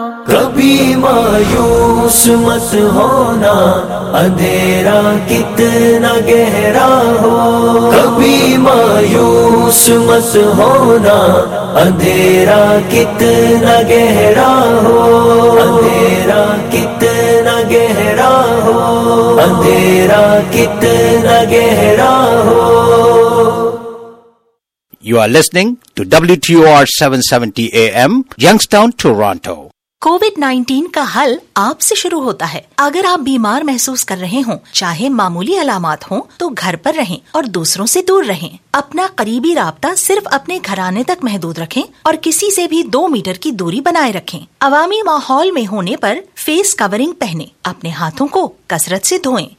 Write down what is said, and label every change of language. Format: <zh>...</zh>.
<hi>कभी मायूस मत होना, अंधेरा कितना गहरा हो, कभी मायूस मत होना, अंधेरा कितना गहरा हो, अंधेरा कितना गहरा हो, अंधेरा कितना गहरा हो।</hi> <en>You are listening to WTOR 770 AM, Youngstown, Toronto.</en> <hi>Covid 19 का हल आप से शुरू होता है। अगर आप बीमार महसूस कर रहे हों, चाहे मामूली अलामत हों, तो घर पर रहें और दूसरों से दूर रहें। अपना करीबी राबता सिर्फ अपने घराने तक महदूद रखें और किसी से भी 2 मीटर की दूरी बनाए रखें। अवामी माहौल में होने पर फेस कवरिंग पहने, अपने हाथों को कसरत से धोएं।</hi>